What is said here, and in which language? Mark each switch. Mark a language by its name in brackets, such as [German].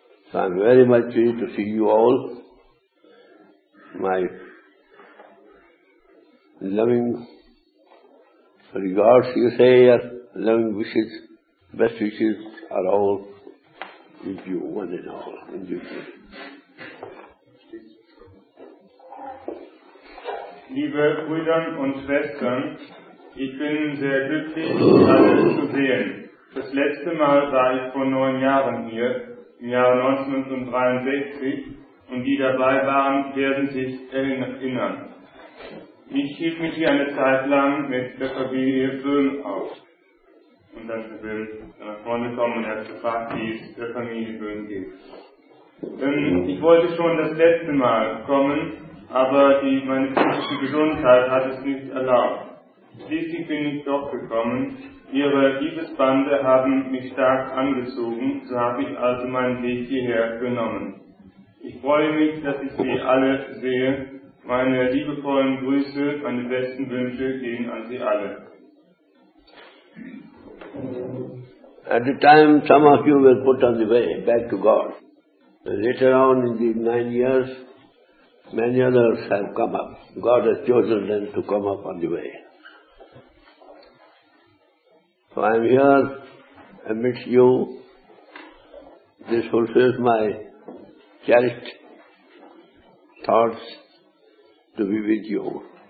[English] So I'm very much pleased to see you all. My loving regards, you say, yes, loving wishes, best wishes are all with you, one and all. And you. [German] Liebe Brüder und Schwestern, ich bin sehr glücklich, alle zu sehen. Das letzte Mal war ich vor 9 Jahren hier. Im Jahre 1963 und die dabei waren, werden sich erinnern. Ich hielt mich hier eine Zeit lang mit der Familie Böhm auf. Und dann sind wir nach vorne gekommen und er hat gefragt, wie es der Familie Böhm geht. Ich wollte schon das letzte Mal kommen, aber meine psychische Gesundheit hat es nicht erlaubt. Schließlich bin ich doch gekommen. Ihre Liebesbande haben mich stark angezogen, so habe ich also meinen Weg hierher genommen. Ich freue mich, dass ich Sie alle sehe. Meine liebevollen Grüße, meine besten Wünsche gehen an Sie alle. [English] At the time, some of you were put on the way, back to God. Later on, in these 9 years, many others have come up. God has chosen them to come up on the way. So I am here amidst you. This fulfills my cherished thoughts to be with you.